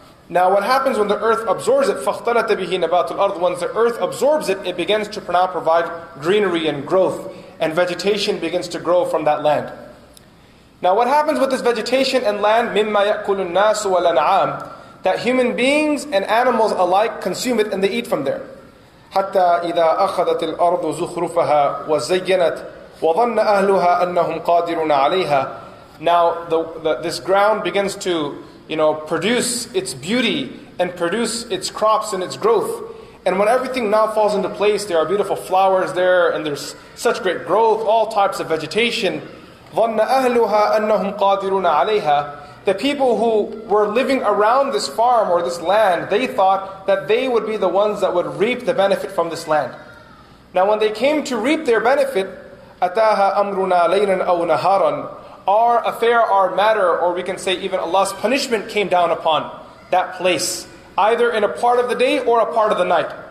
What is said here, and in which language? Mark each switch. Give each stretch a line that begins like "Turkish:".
English: Now what happens when the earth absorbs it,
Arabic: فَاخْتَلَتَ بِهِ نَبَاتُ الْأَرْضِ,
English: once the earth absorbs it, it begins to now provide greenery and growth, and vegetation begins to grow from that land. Now what happens with this vegetation and land,
Arabic: مِمَّا يَأْكُلُ النَّاسُ وَالْأَنْعَامُ,
English: that human beings and animals alike consume it and they eat from there.
Arabic: حتى إذا أخذت الأرض زخرفها وزينت وظن أهلها أنهم قادرون عليها.
English: Now this ground begins to, you know, produce its beauty and produce its crops and its growth. And when everything now falls into place, there are beautiful flowers there and there's such great growth, all types of vegetation.
Arabic: ظن أهلها أنهم قادرون عليها.
English: The people who were living around this farm or this land, they thought that they would be the ones that would reap the benefit from this land. Now when they came to reap their benefit,
Arabic: أَتَاهَا أَمْرُنَا لَيْلًا أَوْ نَهَارًا,
English: our affair, our matter, or we can say even Allah's punishment came down upon that place, either in a part of the day or a part of the night.